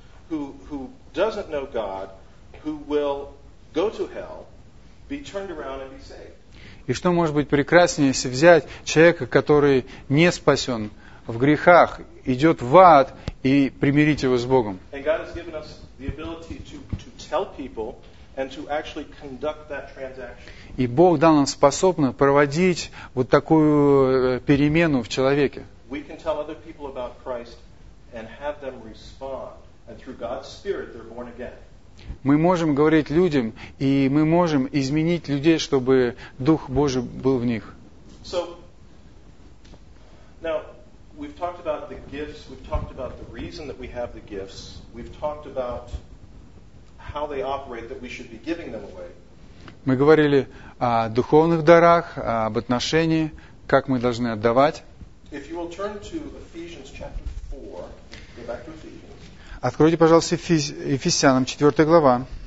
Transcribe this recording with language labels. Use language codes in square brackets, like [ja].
[en] Who doesn't know God, who will go to hell, be turned around and be saved. [ru] И что может быть прекраснее, если взять человека, который не спасен в грехах, идет в ад и примирить его с Богом? [en] And God has given us the ability to tell people and to actually conduct that transaction. [ru] И Бог дал нам способность проводить вот такую перемену в человеке. [en] We can tell other people about Christ and have them respond. And through God's Spirit, they're born again. [ru] Мы можем говорить людям, и мы можем изменить людей, чтобы Дух Божий был в них. [en] So, now, we've talked about the gifts, we've talked about the reason that we have the gifts, we've talked about how they operate, that we should be giving them away. [ru] Мы говорили о духовных дарах, об отношении, как мы должны отдавать. [en] If you will turn to Ephesians chapter 4, go back to Ephesians. [ru] Откройте, пожалуйста, Ефесянам, 4 глава.